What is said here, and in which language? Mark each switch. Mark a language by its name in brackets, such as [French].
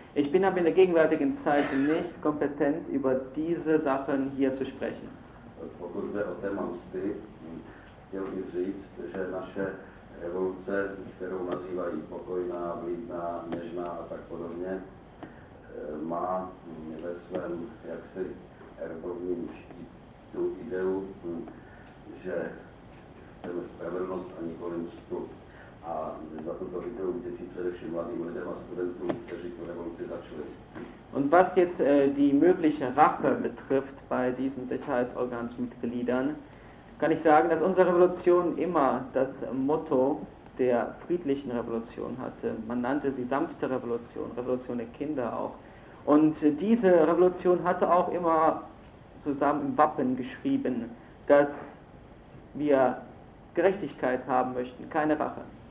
[German] Ich bin aber in der gegenwärtigen Zeit nicht kompetent, über diese Sachen hier zu sprechen. [Czech] Má ve svém jaksi erbovním štítu ideu, že chceme spravedlnost a nikoli mstu. A za tuto ideu vděčí především mladým lidem a studentům, kteří tu revoluci začali. [German] Und was jetzt die mögliche Rache betrifft bei diesen Sicherheitsorgansmitgliedern, kann ich sagen, dass unsere Revolution immer das Motto der friedlichen Revolution hatte. Man nannte sie sanfte Revolution, Revolution der Kinder auch. Und diese Revolution hatte auch immer zusammen im Wappen geschrieben, dass wir Gerechtigkeit haben möchten, keine Rache.